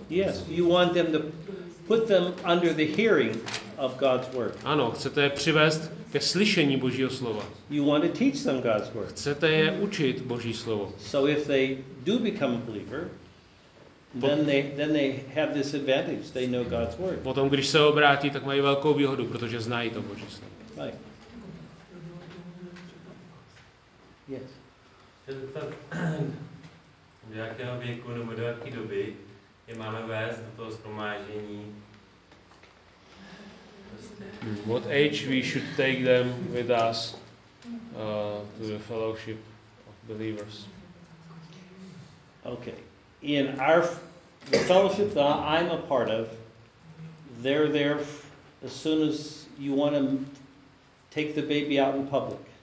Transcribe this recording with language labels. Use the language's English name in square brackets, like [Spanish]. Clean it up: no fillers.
[English] Yes, you want them to put them under the hearing of God's word. [Czech] Ano, chcete je přivést ke slyšení Božího slova. [English] You want to teach them God's word. [Czech] Chcete je učit Boží slovo. [English] So if they do become a believer, then they have this advantage, they know God's word. [Czech] Potom když se obrátí, tak mají velkou výhodu, protože znají to Boží slovo. [English] Right. Yes. [Czech] Ta ta do jakého věku nebo do jaké doby je máme vést do toho shromáždění. [English] What age we should take them with us to the fellowship of believers? Okay, in our fellowship that I'm a part of, they're there as soon as you want to take the baby out in public.